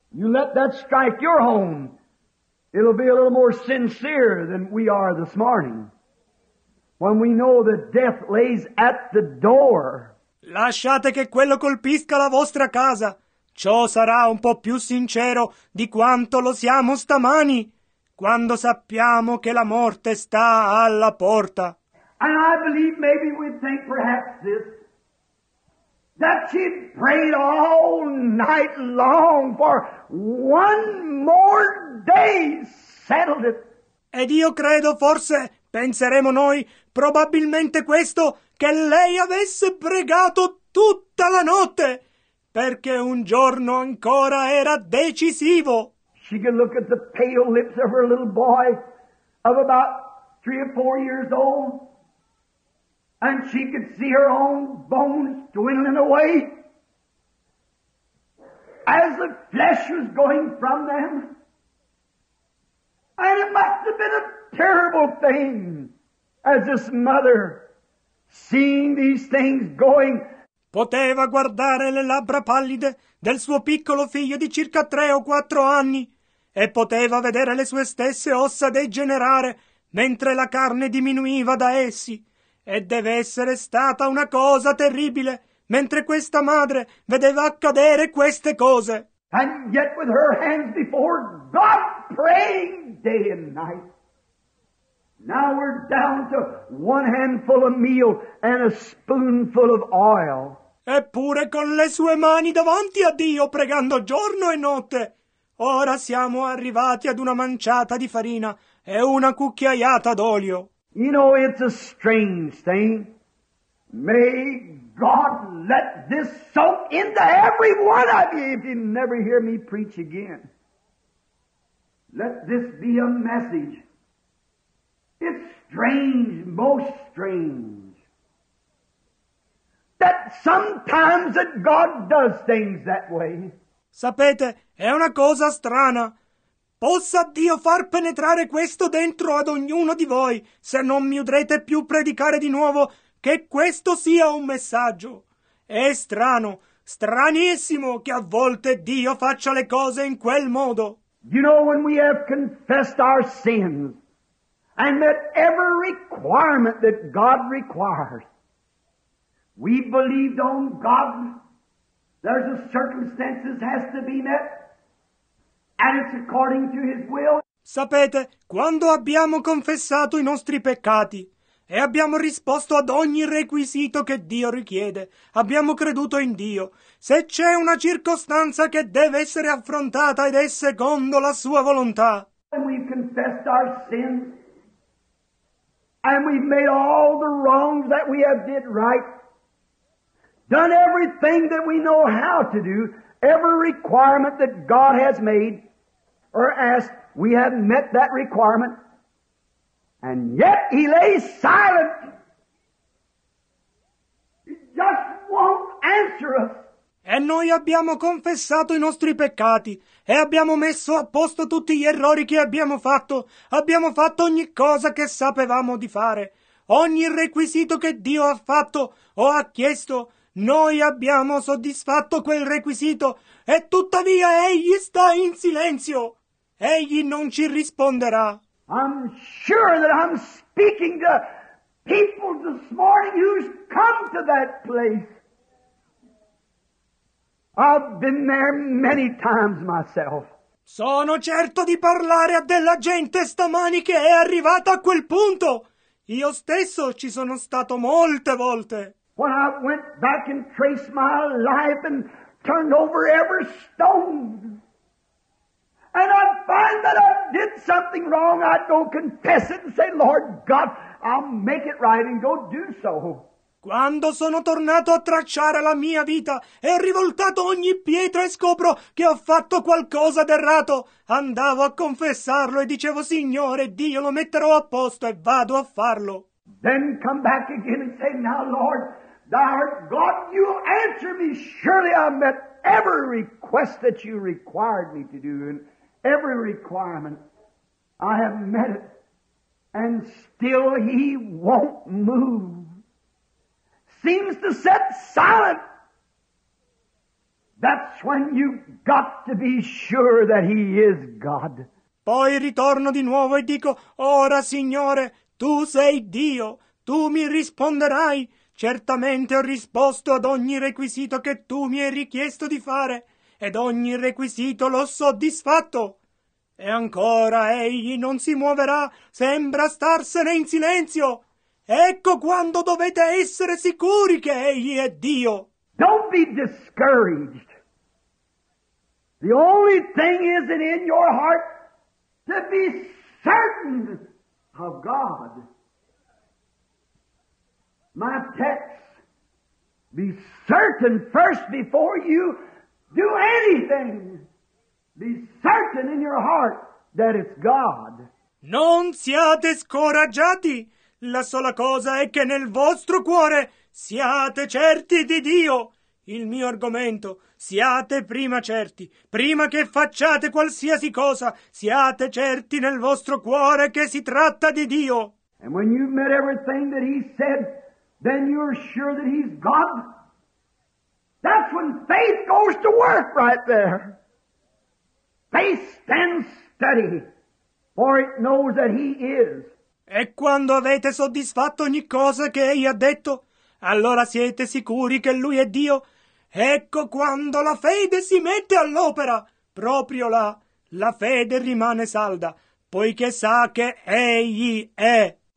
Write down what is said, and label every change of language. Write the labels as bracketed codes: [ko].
[en] You let that strike your home. It'll be a little more sincere than we are this morning. When we know that death lays at the door. [it] Lasciate che quello colpisca la vostra casa. Ciò sarà un po' più sincero di quanto lo siamo stamani, quando sappiamo che la morte sta alla porta. [en] And I believe maybe we'd think perhaps this, such he prayed all night long for one more day settled it. [it] Ed io credo, forse, penseremo noi, probabilmente questo, che lei avesse pregato tutta la notte, perché un giorno ancora era decisivo. [en] She could look at the pale lips of her little boy of about 3 or 4 years old, and she could see her own bones dwindling away as the flesh was going from them. And it must have been a terrible thing as this mother seeing these things going. [it] Poteva guardare le labbra pallide del suo piccolo figlio di circa 3 o 4 anni e poteva vedere le sue stesse ossa degenerare mentre la carne diminuiva da essi. E deve essere stata una cosa terribile mentre questa madre vedeva accadere queste cose. [en] And yet with her hands before God praying day and night. Now we're down to one handful of meal and a spoonful of oil. [it] Eppure con le sue mani davanti a Dio pregando giorno e notte, ora siamo arrivati ad una manciata di farina e una cucchiaiata d'olio. [en] You know, it's a strange thing. May God let this soak into every one of you if you never hear me preach again. Let this be a message. It's strange, most strange, that sometimes that God does things that way. [it] Sapete, è una cosa strana. Possa Dio far penetrare questo dentro ad ognuno di voi, se non mi udrete più predicare di nuovo che questo sia un messaggio. È strano, stranissimo che a volte Dio faccia le cose in quel modo. [en] You know, when we have confessed our sins and met every requirement that God requires, we believed on God, there's a circumstance that has to be met, and it's according to His will. [it] Sapete, quando abbiamo confessato i nostri peccati e abbiamo risposto ad ogni requisito che Dio richiede, abbiamo creduto in Dio. Se c'è una circostanza che deve essere affrontata ed è secondo la sua volontà. [en] And we've confessed our sins, and we've made all the wrongs that we have did right, done everything that we know how to do, every requirement that God has made or asked, we have met that requirement. And yet he lays silent. He just won't answer us. [it] E noi abbiamo confessato i nostri peccati e abbiamo messo a posto tutti gli errori che abbiamo fatto. Abbiamo fatto ogni cosa che sapevamo di fare. Ogni requisito che Dio ha fatto o ha chiesto, noi abbiamo soddisfatto quel requisito. E tuttavia egli sta in silenzio. Egli non ci risponderà. [en] I'm sure that I'm speaking to people this morning who's come to that place. I've been there many times myself. [it] Sono certo di parlare a della gente stamani che è arrivata a quel punto. Io stesso ci sono stato molte volte. [en] When I went back and traced my life and turned over every stone, and I find that I did something wrong, I go confess it and say, Lord God, I'll make it right, and go do so. [it] Quando sono tornato a tracciare la mia vita e ho rivoltato ogni pietra e scopro che ho fatto qualcosa d'errato, andavo a confessarlo e dicevo, Signore, Dio, lo metterò a posto e vado a farlo. [en] Then come back again and say, now Lord, thou art God, you answer me. Surely I met every request that you required me to do. Every requirement, I have met it, and still he won't move. Seems to sit silent. That's when you've got to be sure that he is God. [it] Poi ritorno di nuovo e dico, ora, Signore, tu sei Dio, tu mi risponderai. Certamente ho risposto ad ogni requisito che tu mi hai richiesto di fare, ed ogni requisito l'ho soddisfatto. E ancora egli non si muoverà, sembra starsene in silenzio. Ecco quando dovete essere sicuri che egli è Dio. [en] Don't be discouraged. The only thing is that in your heart to be certain of God. My text, be certain first before you do anything. Be certain in your heart that it's God. [it] Non siate scoraggiati. La sola cosa è che nel vostro cuore siate certi di Dio. Il mio argomento, siate prima certi, prima che facciate qualsiasi cosa, siate certi nel vostro cuore che si tratta di Dio. [en] And when you've met everything that he said, then you're sure that he's God. That's when faith goes to work right there. Faith stands steady, for it knows that he is. [it] E quando avete soddisfatto ogni cosa che egli ha detto, allora siete sicuri che lui è Dio. Ecco quando la fede si mette all'opera. Proprio là, la fede rimane salda, poiché sa che egli è.